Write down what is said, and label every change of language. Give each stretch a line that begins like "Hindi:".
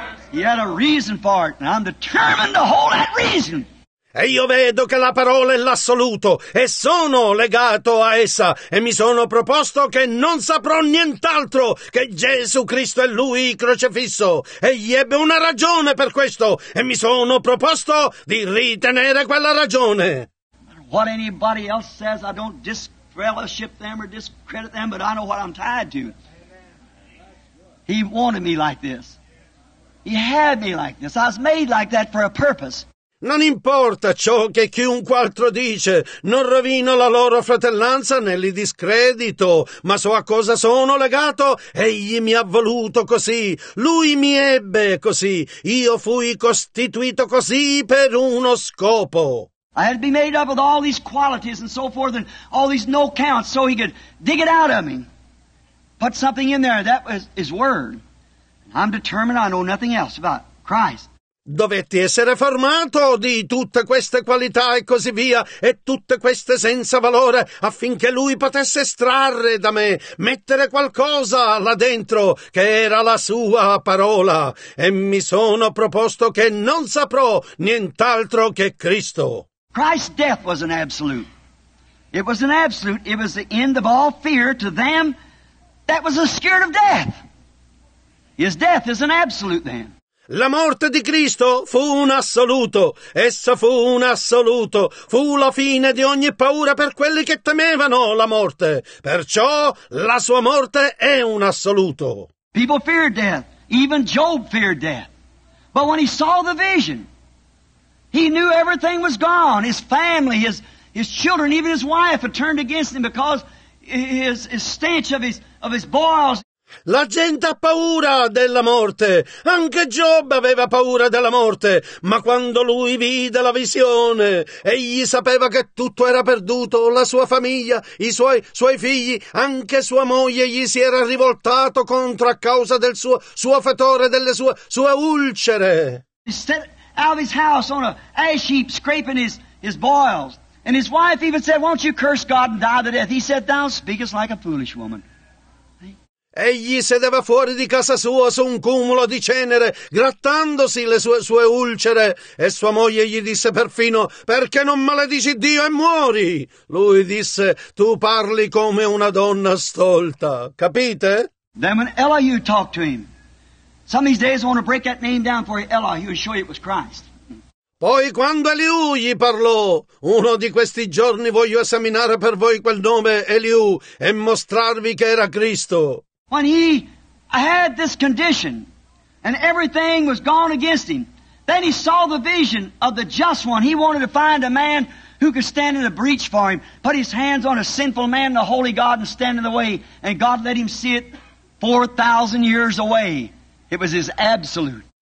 English: He had a reason for it and I'm determined to hold that reason.
Italian: E io vedo che la parola è l'assoluto e sono legato a essa e mi sono proposto che non saprò nient'altro che Gesù Cristo e Lui crocifisso. Egli ebbe una ragione per questo e mi sono proposto di ritenere quella ragione.
English: What anybody else says, I don't disfellowship them or discredit them, but I know what I'm tied to. He wanted me like this. He had me like this. I was made like that for a purpose.
Italian: Non importa ciò che chiunque altro dice, non rovino la loro fratellanza né li discredito, ma so a cosa sono legato, egli mi ha voluto così, lui mi ebbe così, io fui costituito così per uno scopo.
English: I had to be made up with all these qualities and so forth and all these no counts so he could dig it out of me. Put something in there. That was his word. I'm determined I know nothing else about Christ.
Italian: Dovetti essere formato di tutte queste qualità e così via e tutte queste senza valore affinché lui potesse estrarre da me, mettere qualcosa là dentro che era la sua parola. E mi sono proposto che non saprò nient'altro che Cristo.
English: Christ's death was an absolute. It was an absolute. It was the end of all fear to them that was scared of death. His death is an absolute then.
Italian: La morte di Cristo fu un assoluto. Essa fu un assoluto. Fu la fine di ogni paura per quelli che temevano la morte. Perciò la sua morte è un assoluto.
English: People feared death. Even Job feared death. But when he saw the vision, he knew everything was gone. His family, his children, even his wife had turned against him because his stench of his boils.
Italian: La gente ha paura della morte. Anche Job aveva paura della morte. Ma quando lui vide la visione, egli sapeva che tutto era perduto. La sua famiglia, i suoi figli, anche sua moglie gli si era rivoltato contro a causa del suo fetore, delle sue ulcere.
English: Out of his house on a ash heap scraping his boils. And his wife even said, won't you curse God and die the death? He said, thou speakest like a foolish woman.
Italian: Egli sedeva fuori di casa sua su un cumulo di cenere, grattandosi le sue ulcere. E sua moglie gli disse perfino, perché non maledici Dio e muori? Lui disse, tu parli come una donna stolta. Capite?
English: Then when Elihu talked to him, some of these days I want to break that name down for you, Eli, he would show you it was Christ.
Italian: Poi quando Eliu gli parlò, uno di questi giorni voglio esaminare per voi quel nome, Eliu, e mostrarvi che era Cristo.
English: When he had this condition, and everything was gone against him, then he saw the vision of the just one. He wanted to find a man who could stand in the breach for him, put his hands on a sinful man, the holy God, and stand in the way. And God let him see it 4,000 years away. It was his absolute.